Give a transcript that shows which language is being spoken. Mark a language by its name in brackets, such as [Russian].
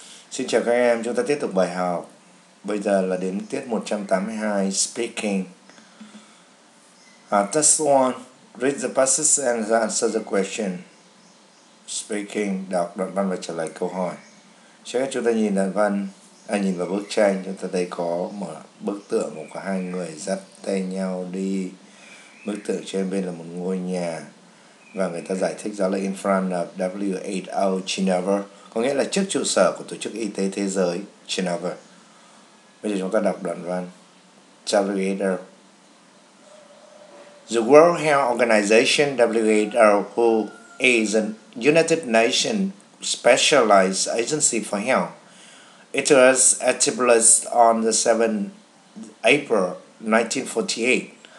[Vietnamese] Xin chào các em, chúng ta tiếp tục bài học. Bây giờ là đến tiết 182, speaking. [English] Test 1, read the passage and answer the question. [Vietnamese] Speaking, đọc đoạn văn và trả lời câu hỏi. Chắc chúng ta nhìn đoạn văn, nhìn vào bức tranh, chúng ta thấy có một bức tượng của hai người dắt tay nhau đi. Bức tượng trên bên là một ngôi nhà. Và người ta giải thích đó là [English] in front of WHO Geneva, [Vietnamese] có nghĩa là trước trụ sở của Tổ chức Y tế Thế giới Geneva. Bây giờ chúng ta đọc đoạn văn. [English] WHO. The World Health Organization WHO, who is a United Nations specialized agency for health, it was established on the 7th April 1948.